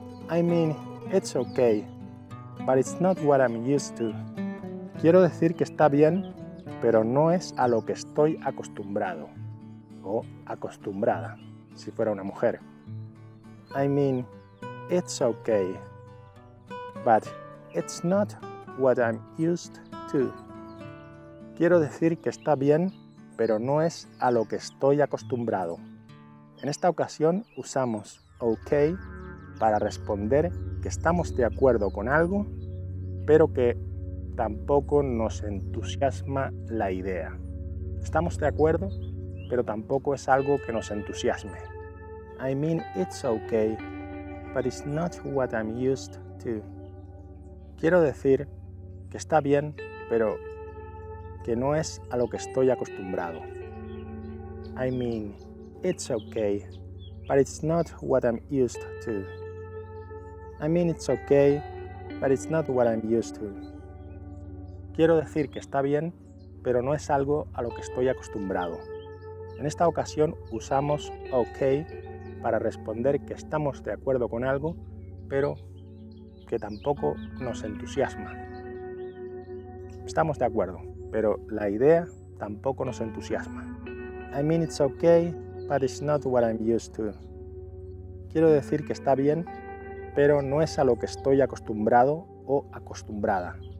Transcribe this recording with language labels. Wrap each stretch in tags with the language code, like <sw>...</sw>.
<en>I mean, it's okay, but it's not what I'm used to.</en> <es>Quiero decir que está bien, pero no es a lo que estoy acostumbrado o acostumbrada, si fuera una mujer.</es> <en>I mean, it's okay, but it's not what I'm used to.</en> <es>Quiero decir que está bien, pero no es a lo que estoy acostumbrado. En esta ocasión usamos OK para responder que estamos de acuerdo con algo, pero que tampoco nos entusiasma la idea. Estamos de acuerdo, pero tampoco es algo que nos entusiasme.</es> <en>I mean, it's okay, but it's not what I'm used to.</en> <es>Quiero decir que está bien, pero que no es a lo que estoy acostumbrado.</es> <en>I mean, it's okay, but it's not what I'm used to. I mean, it's okay, but it's not what I'm used to.</en> <es>Quiero decir que está bien, pero no es algo a lo que estoy acostumbrado. En esta ocasión usamos OK para responder que estamos de acuerdo con algo, pero que tampoco nos entusiasma. Estamos de acuerdo, pero la idea tampoco nos entusiasma.</es> <en>I mean, it's okay, but it's not what I'm used to.</en> <es>Quiero decir que está bien, pero no es a lo que estoy acostumbrado o acostumbrada.</es>